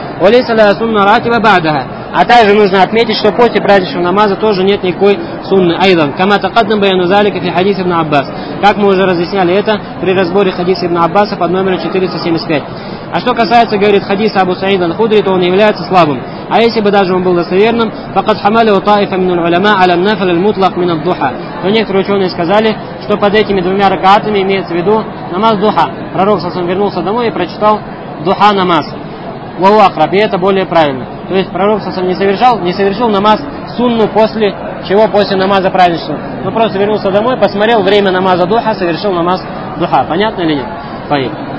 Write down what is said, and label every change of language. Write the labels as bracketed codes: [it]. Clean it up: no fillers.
[ar] Олейса ля сунна ратиба бадаха. [ru] А также нужно отметить, что после праздничного намаза тоже нет никакой сунны. Айдан. [ar] Камата каддам баяну залика фи хадис ибн Аббас. [ru] Как мы уже разъясняли это при разборе хадиса ибн Аббаса под номером 475. А что касается, говорит, хадиса Абу Саида аль-Худри, то он является слабым. А если бы даже он был достоверным, [ar] فقد حملوا طائفة من العلماء على النفل المطلق من الضحى. [ru] То некоторые ученые сказали, что под этими двумя ракаатами имеется в виду намаз духа. Пророк сам вернулся домой и прочитал духа намаз. [ar] Вау акраб, [ru] и это более правильно. То есть пророк сам не совершил намаз сунну после чего, после намаза праздничного. Но просто вернулся домой, посмотрел время намаза духа, совершил намаз духа. Понятно или нет? Понятно.